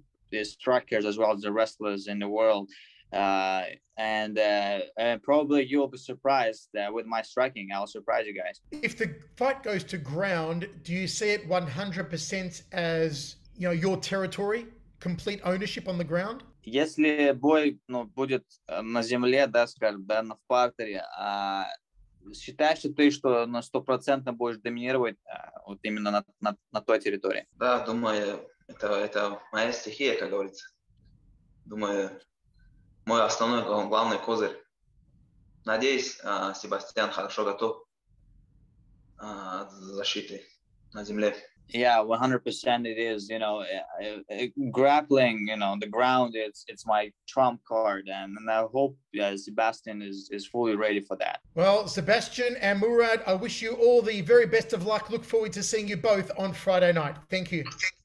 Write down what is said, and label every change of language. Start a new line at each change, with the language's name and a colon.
English: the strikers as well as the wrestlers in the world. And probably you'll be surprised with my striking. I'll surprise you guys. If the fight goes to ground, do you see it 100% as, you know, your territory, complete ownership on the ground?
Russian: Если бой, ну, будет на земле, да, скажем, да, на партере, считаешь ли ты, что на 100% будешь доминировать вот именно на той территории? Да, думаю, это моя стихия, как говорится. Думаю, мой основной, главный козырь. Надеюсь, Себастьян хорошо готов защиты на земле.
English: Yeah, 100% it is, you know, grappling, you know, the ground, it's my trump card. And I hope Sebastian is fully ready for that. Well, Sebastian and Murad, I wish you all the very best of luck. Look forward to seeing you both on Friday night. Thank you.